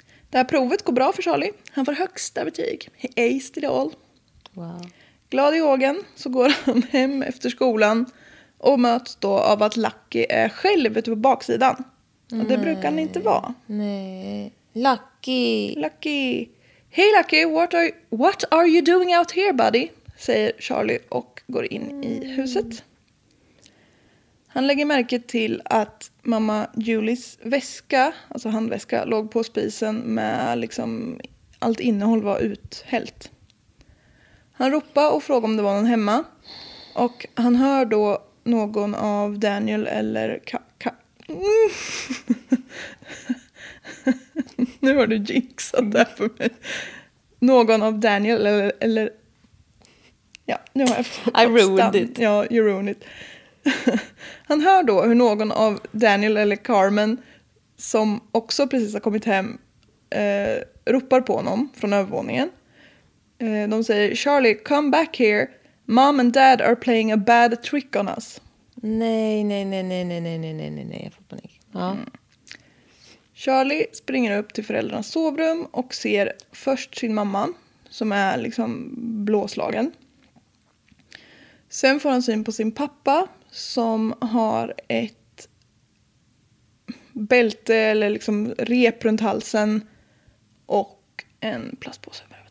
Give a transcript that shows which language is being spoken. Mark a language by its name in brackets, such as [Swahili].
[Swedish] Det här provet går bra för Charlie. Han får högsta betyg. [English] He aced it all. [Swedish] Wow. Glad i hågen så går han hem efter skolan och möts då av att Lucky är själv ute på baksidan. Och nej, det brukar han inte vara. Nej. Lucky. [English] Hey Lucky, what are you doing out here, buddy? [Swedish] Säger Charlie och går in i huset. Han lägger märke till att mamma Julies väska, alltså handväska, låg på spisen med liksom allt innehåll var uthällt. Han ropar och frågar om det var någon hemma. Och han hör då någon av Daniel eller Kaka. Nu har du jinxat där för mig. Någon av Daniel eller... Ja, nu har jag fått [English] I ruined stand. It. Ja, you ruined it. [Swedish] Han hör då hur någon av Daniel eller Carmen, som också precis har kommit hem, ropar på honom från övervåningen. De säger, [English] Charlie, come back here. Mom and dad are playing a bad trick on us. [Swedish] Nej, jag får panik. Ja. Mm. Charlie springer upp till föräldrarnas sovrum och ser först sin mamma, som är liksom blåslagen. Sen får han syn på sin pappa, som har ett bälte eller liksom rep runt halsen och en plastpåse.